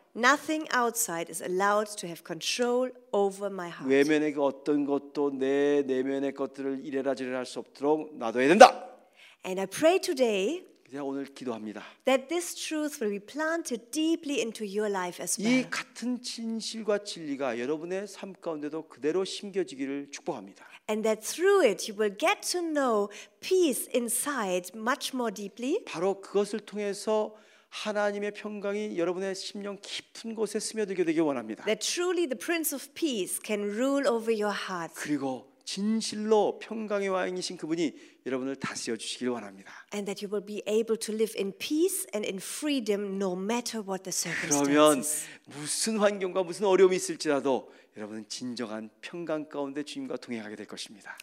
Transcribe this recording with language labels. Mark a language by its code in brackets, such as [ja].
[en] Nothing outside is allowed to have control over my heart. [ko] 외면의 그 어떤 것도 내 내면의 것들을 이래라저래라 할 수 없도록 놔둬야 된다. [en] And I pray today [ko] 제가 오늘 기도합니다. [en] That this truth will be planted deeply into your life as well. [ko] 이 같은 진실과 진리가 여러분의 삶 가운데도 그대로 심겨지기를 축복합니다. [en] And that through it you will get to know peace inside much more deeply. [ko] 바로 그것을 통해서 하나님의 평강이 여러분의 심령 깊은 곳에 스며들게 되길 원합니다. [en] That truly the Prince of Peace can rule over your heart. [ko] 그리고 진실로 평강의 왕이신 그분이 여러분을 다스려 주시기를 원합니다. [en] And that you will be able to live in peace and in freedom no matter what the circumstances. [ko] 그러면 무슨 환경과 무슨 어려움이 있을지라도 여러분은 진정한 평강 가운데 주님과 동행하게 될 것입니다.